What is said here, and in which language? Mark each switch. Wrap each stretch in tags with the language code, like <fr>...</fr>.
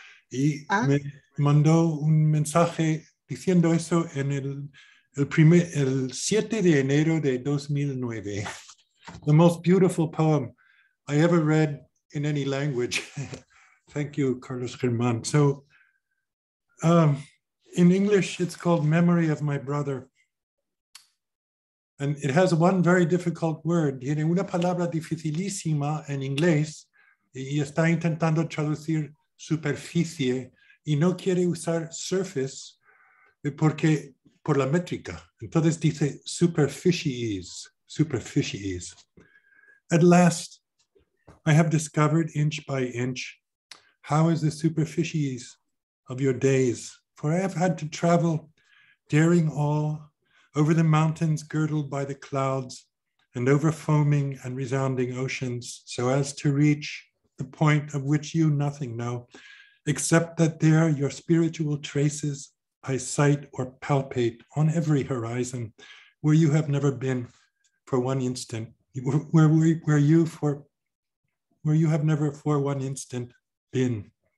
<es>Y me mandó un mensaje diciendo eso en el 7 de enero de 2009.</es> <en>The most beautiful poem I ever read in any language. Thank you, Carlos Germán. So, in English, it's called Memory of My Brother. And it has one very difficult word.</en> <es>Tiene una palabra dificilísima en inglés y está intentando traducir superficie y no quiere usar surface porque por la métrica. Entonces dice superficies, superficies.</es> <en>At last, I have discovered inch by inch how is the superficies of your days. For I have had to travel, daring all, over the mountains girdled by the clouds and over foaming and resounding oceans, so as to reach the point of which you nothing know, except that there your spiritual traces I sight or palpate on every horizon where you have never been for one instant, where you have never for one instant been.</en>